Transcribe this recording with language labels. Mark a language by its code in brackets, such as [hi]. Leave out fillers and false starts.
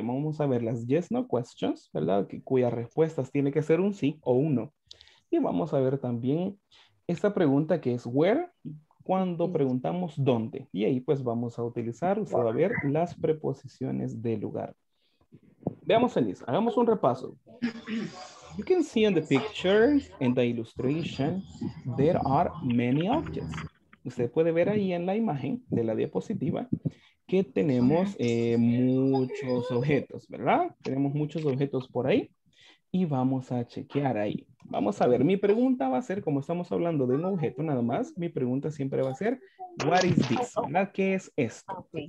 [es] Vamos a ver las [en] yes, no questions, [es] ¿verdad? Cuyas respuestas tiene que ser un sí o un no. Y vamos a ver también esta pregunta que es where, cuando preguntamos dónde. Y ahí pues vamos a utilizar, usted va a ver, las preposiciones de lugar. Veamos en eso, hagamos un repaso. [en] You can see in the picture, in the illustration, there are many objects. [es] Usted puede ver ahí en la imagen de la diapositiva que tenemos muchos objetos, ¿verdad? Tenemos muchos objetos por ahí y vamos a chequear ahí. Vamos a ver, mi pregunta va a ser, como estamos hablando de un objeto nada más, mi pregunta siempre va a ser, [en] what is this? [es] ¿Verdad? ¿Qué es esto? Okay.